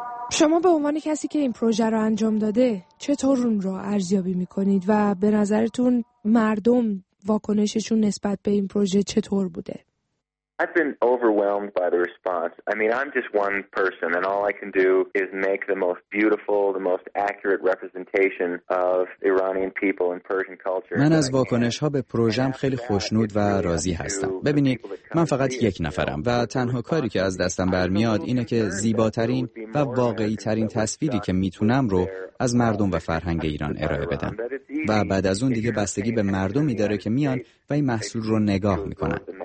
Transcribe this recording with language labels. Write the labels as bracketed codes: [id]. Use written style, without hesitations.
[fa] شما به عنوان کسی که این پروژه رو انجام داده چطور اون رو ارزیابی میکنید و به نظرتون مردم واکنششون نسبت به این پروژه چطور بوده؟ [en] I've been overwhelmed by the response. I mean, I'm just one person and all I can do is make the most beautiful, the most accurate representation of Iranian people and Persian culture. [fa] من از واکنش‌ها به پروژه‌م خیلی خوشنود و راضی هستم. ببینید، من فقط یک نفرم و تنها کاری که از دستم برمیاد اینه که زیباترین و واقعی‌ترین تصویری که میتونم رو از مردم و فرهنگ ایران ارائه بدم. و بعد از اون دیگه بستگی به مردمی داره که میان و این محصول رو نگاه می‌کنن.